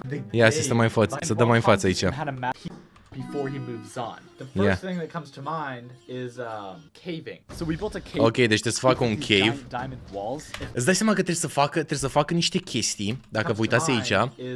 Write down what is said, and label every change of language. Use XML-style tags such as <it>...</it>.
<ro>Ia, să stăm mai în față, să dăm mai în față aici.</ro> <en>Before he moves on. The first thing that comes to mind is caving. So we built a cave.</en> <ro>Ok, deci trebuie să facă un cave. Îți dai seama că trebuie să facă niște chestii, dacă vă uitați aici.</ro>